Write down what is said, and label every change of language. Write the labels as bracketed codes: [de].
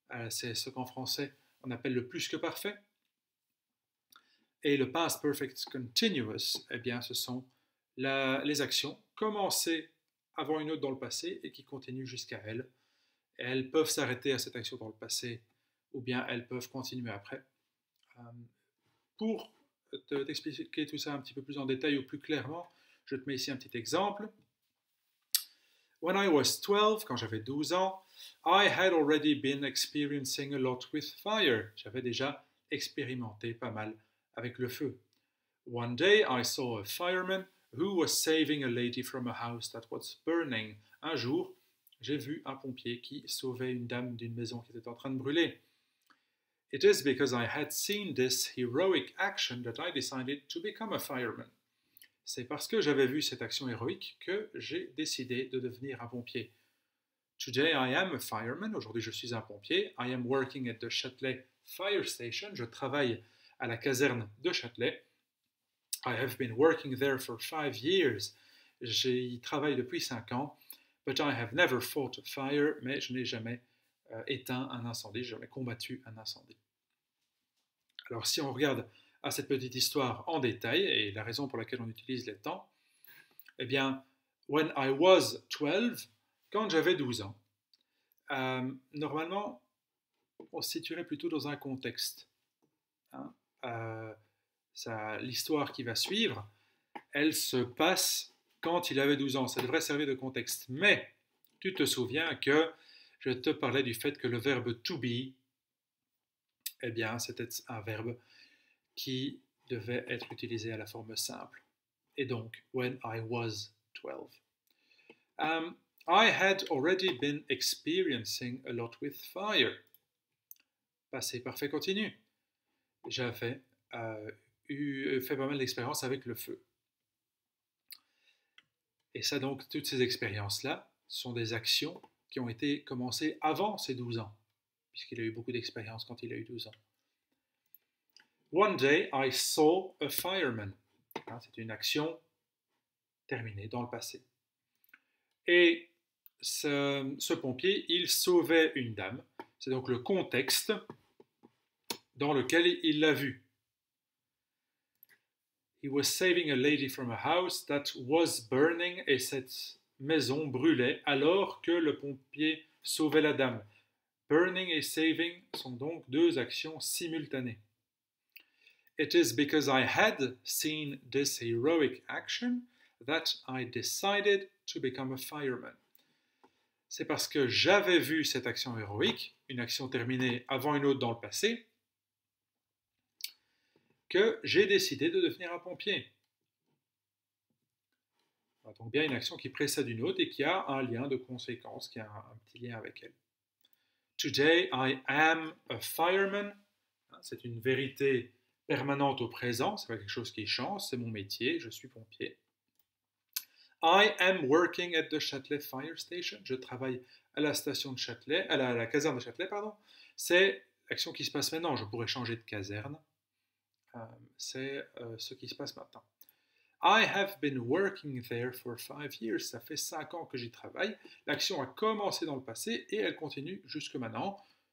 [fr] C'est ce qu'en français on appelle le plus que parfait. Et le past perfect continuous, eh bien, ce sont les actions commencées avant une autre dans le passé et qui continuent jusqu'à elle. Elles peuvent s'arrêter à cette action dans le passé ou bien elles peuvent continuer après. Pour t'expliquer tout ça un petit peu plus en détail ou plus clairement, je te mets ici un petit exemple. [en] When I was 12, [fr] quand j'avais 12 ans, [en] I had already been experiencing a lot with fire. [fr] J'avais déjà expérimenté pas mal avec le feu. [en] One day, I saw a fireman who was saving a lady from a house that was burning. [fr] Un jour, j'ai vu un pompier qui sauvait une dame d'une maison qui était en train de brûler. [en] It is because I had seen this heroic action that I decided to become a fireman. [fr] C'est parce que j'avais vu cette action héroïque que j'ai décidé de devenir un pompier. [en] Today I am a fireman. [fr] Aujourd'hui, je suis un pompier. [en] I am working at the Châtelet Fire Station. [fr] Je travaille à la caserne de Châtelet. [en] I have been working there for 5 years. [fr] J'y travaille depuis 5 ans. [en] But I have never fought a fire. [fr] Mais je n'ai jamais éteint un incendie, j'ai jamais combattu un incendie. Alors, si on regarde à cette petite histoire en détail et la raison pour laquelle on utilise les temps, eh bien, [en] when I was 12, [fr] quand j'avais 12 ans, normalement, on se situerait plutôt dans un contexte. Hein? L'histoire qui va suivre, elle se passe quand il avait 12 ans. Ça devrait servir de contexte. Mais tu te souviens que je te parlais du fait que le verbe to be Eh bien, c'était un verbe qui devait être utilisé à la forme simple. Et donc, [en] when I was 12. I had already been experiencing a lot with fire. [fr] Passé parfait continu. J'avais fait pas mal d'expériences avec le feu. Et ça, donc, toutes ces expériences-là sont des actions qui ont été commencées avant ses 12 ans, puisqu'il a eu beaucoup d'expériences quand il a eu 12 ans. [en] One day, I saw a fireman. [fr] Hein, c'est une action terminée dans le passé. Et ce pompier, il sauvait une dame. C'est donc le contexte dans lequel il l'a vue. He was saving a lady from a house that was burning, et cette maison brûlait alors que le pompier sauvait la dame. Burning et saving sont donc deux actions simultanées. [en] It is because I had seen this heroic action that I decided to become a fireman. [fr] C'est parce que j'avais vu cette action héroïque, une action terminée avant une autre dans le passé, que j'ai décidé de devenir un pompier. Donc bien une action qui précède une autre et qui a un lien de conséquence, qui a un petit lien avec elle. [en] Today, I am a fireman. [fr] C'est une vérité permanente au présent, c'est pas quelque chose qui change, c'est mon métier, je suis pompier. [en] I am working at the Châtelet Fire Station. [fr] Je travaille à la station de Châtelet, à la caserne de Châtelet, pardon. C'est l'action qui se passe maintenant. Je pourrais changer de caserne. C'est ce qui se passe maintenant. [en] I have been working there for 5 years. [fr] Ça fait 5 ans que j'y travaille. L'action a commencé dans le passé et elle continue jusque maintenant.